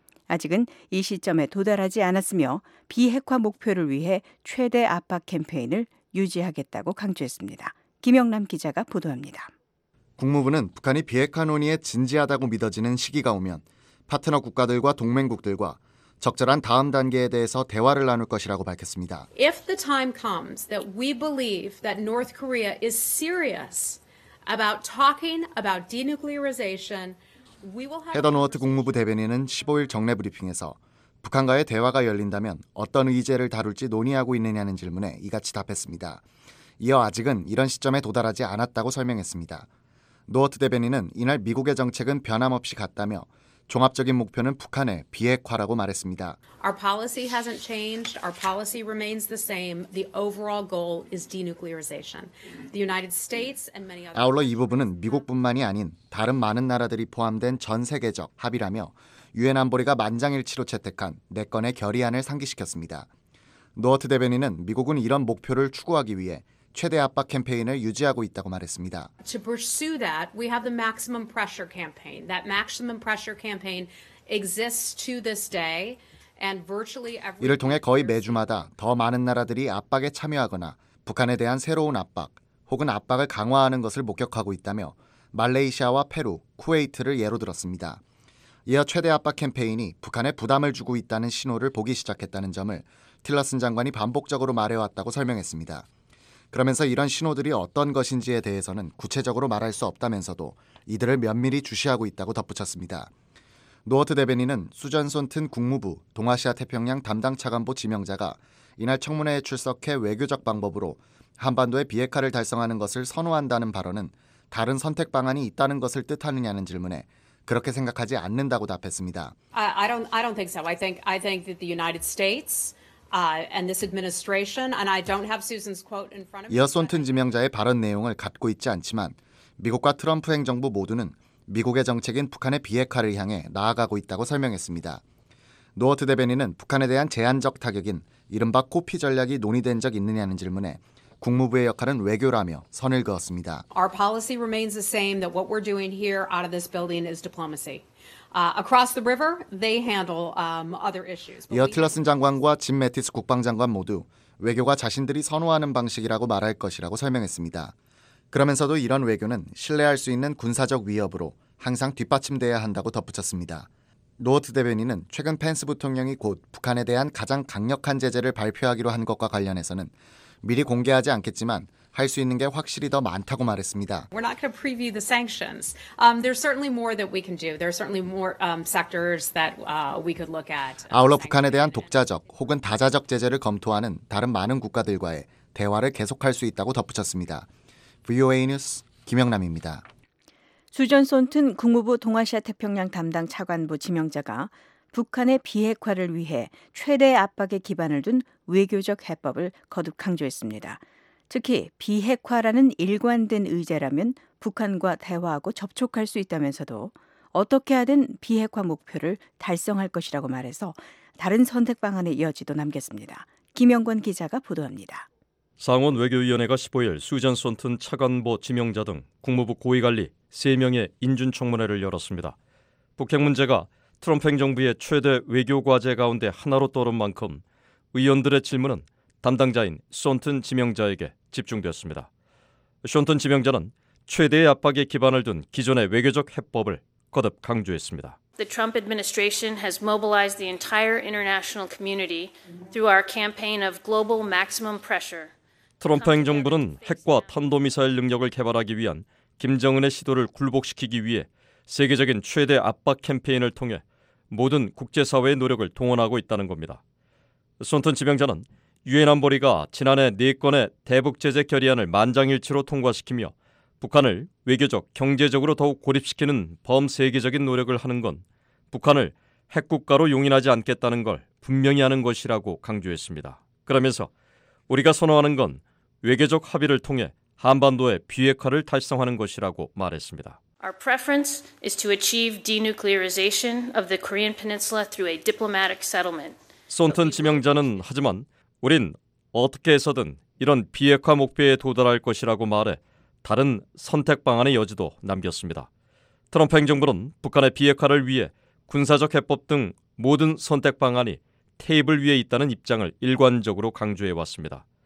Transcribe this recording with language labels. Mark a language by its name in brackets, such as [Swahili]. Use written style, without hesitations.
[Korean] 아직은 이 시점에 도달하지 않았으며 비핵화 목표를 위해 최대 압박 캠페인을 유지하겠다고 강조했습니다. 김영남 기자가 보도합니다. 국무부는 북한이 비핵화 논의에 진지하다고 믿어지는 시기가 오면 파트너 국가들과 동맹국들과 적절한 다음 단계에 대해서 대화를 나눌 것이라고 밝혔습니다. [English] If the time comes that we believe that North Korea is serious about talking about denuclearization, we will have [Korean] 헤더노어트 국무부 대변인은 15일 정례 브리핑에서 북한과의 대화가 열린다면 어떤 의제를 다룰지 논의하고 있느냐는 질문에 이같이 답했습니다. 이어 아직은 이런 시점에 도달하지 않았다고 설명했습니다. 노어트 대변인은 이날 미국의 정책은 변함없이 같다며 종합적인 목표는 북한의 비핵화라고 말했습니다. [English] Our policy hasn't changed. Our policy remains the same. The overall goal is denuclearization. The United States and many other [Korean] 아울러 이 부분은 미국뿐만이 아닌 다른 많은 나라들이 포함된 전 세계적 합의라며 유엔 안보리가 만장일치로 채택한 네 건의 결의안을 상기시켰습니다. 노어트 대변인은 미국은 이런 목표를 추구하기 위해 최대 압박 캠페인을 유지하고 있다고 말했습니다. [English] To pursue that, we have the maximum pressure campaign. That maximum pressure campaign exists to this day, and virtually every. [Korean] 이를 통해 거의 매주마다 더 많은 나라들이 압박에 참여하거나 북한에 대한 새로운 압박 혹은 압박을 강화하는 것을 목격하고 있다며 말레이시아와 페루, 쿠웨이트를 예로 들었습니다. 이어 최대 압박 캠페인이 북한에 부담을 주고 있다는 신호를 보기 시작했다는 점을 틸러슨 장관이 반복적으로 말해왔다고 설명했습니다. 그러면서 이런 신호들이 어떤 것인지에 대해서는 구체적으로 말할 수 없다면서도 이들을 면밀히 주시하고 있다고 덧붙였습니다. 노어트 대변인은 수전 손튼 국무부 동아시아 태평양 담당 차관보 지명자가 이날 청문회에 출석해 외교적 방법으로 한반도의 비핵화를 달성하는 것을 선호한다는 발언은 다른 선택 방안이 있다는 것을 뜻하느냐는 질문에 그렇게 생각하지 않는다고 답했습니다. [English] I don't think so. I think that the United States and this administration, and I don't have Susan's quote in front of me. [Korean] 이어 손튼 지명자의 발언 내용을 갖고 있지 않지만 미국과 트럼프 행정부 모두는 미국의 정책인 북한의 비핵화를 향해 나아가고 있다고 설명했습니다. 노어트 대변인은 북한에 대한 제한적 타격인 이른바 코피 전략이 논의된 적 있느냐는 질문에 국무부의 역할은 외교라며 선을 그었습니다. [English] Our policy remains the same that what we're doing here out of this building is diplomacy. Across the river, they handle other issues. [Korean] 이어 틸러슨 장관과 짐 매티스 국방장관 모두 외교가 자신들이 선호하는 방식이라고 말할 것이라고 설명했습니다. 그러면서도 이런 외교는 신뢰할 수 있는 군사적 위협으로 항상 뒷받침돼야 한다고 덧붙였습니다. 노어트 대변인은 최근 펜스 부통령이 곧 북한에 대한 가장 강력한 제재를 발표하기로 한 것과 관련해서는 미리 공개하지 않겠지만 할 수 있는 게 확실히 더 많다고 말했습니다. [English] We're not going to preview the sanctions. There's certainly more that we can do. There's certainly more sectors that we could look at. [Korean] 아울러 북한에 대한 독자적 혹은 다자적 제재를 검토하는 다른 많은 국가들과의 대화를 계속할 수 있다고 덧붙였습니다. VOA 뉴스 김영남입니다. 수전 손튼 국무부 동아시아 태평양 담당 차관보 지명자가 북한의 비핵화를 위해 최대 압박에 기반을 둔 외교적 해법을 거듭 강조했습니다. 특히 비핵화라는 일관된 의제라면 북한과 대화하고 접촉할 수 있다면서도 어떻게 하든 비핵화 목표를 달성할 것이라고 말해서 다른 선택 방안의 여지도 남겼습니다. 김영권 기자가 보도합니다. 상원 외교위원회가 15일 수전 손튼 차관보 지명자 등 국무부 고위관리 3명의 인준청문회를 열었습니다. 북핵 문제가 트럼프 행정부의 최대 외교 과제 가운데 하나로 떠오른 만큼 의원들의 질문은 담당자인 손튼 지명자에게 집중되었습니다. 손튼 지명자는 최대의 압박에 기반을 둔 기존의 외교적 해법을 거듭 강조했습니다. [English] The Trump administration has mobilized the entire international community through our campaign of global maximum pressure. [Korean] 트럼프 행정부는 핵과 탄도미사일 능력을 개발하기 위한 김정은의 시도를 굴복시키기 위해 세계적인 최대 압박 캠페인을 통해 모든 국제사회의 노력을 동원하고 있다는 겁니다. 손튼 지명자는 유엔 안보리가 지난해 4건의 대북 제재 결의안을 만장일치로 통과시키며 북한을 외교적, 경제적으로 더욱 고립시키는 범세계적인 노력을 하는 건 북한을 핵국가로 용인하지 않겠다는 걸 분명히 하는 것이라고 강조했습니다. 그러면서 우리가 선호하는 건 외교적 합의를 통해 한반도의 비핵화를 달성하는 것이라고 말했습니다. [English] Our preference is to achieve denuclearization of the Korean Peninsula through a diplomatic settlement. [Korean] 손튼 지명자는 하지만 우린 어떻게 해서든 이런 비핵화 목표에 도달할 것이라고 말해 다른 선택 방안의 여지도 남겼습니다. 트럼프 행정부는 북한의 비핵화를 위해 군사적 해법 등 모든 선택 방안이 테이블 위에 있다는 입장을 일관적으로 강조해왔습니다.